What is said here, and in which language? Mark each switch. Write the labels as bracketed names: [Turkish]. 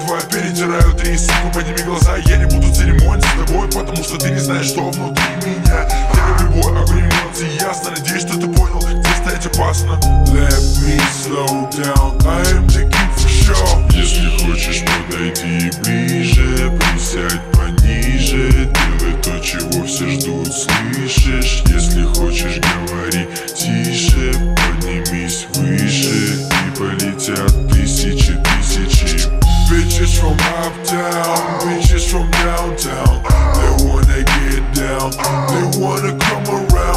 [Russian] Перетираю три, сука, подними глаза. Я не буду церемонить с тобой, потому что ты не знаешь, что внутри меня. Я люблю бой, огонь мелодии, ясно. Надеюсь, что ты понял, где стоять опасно. [English] Let me slow down, I am the king for sure. [Russian] Если хочешь подойти ближе, присядь пониже, делай то, чего все ждут, слышишь? Если хочешь, говори тише, поднимись выше, и полетят тысячи, тысячи. [English] Bitches from uptown, bitches from downtown. They wanna get down, they wanna come around.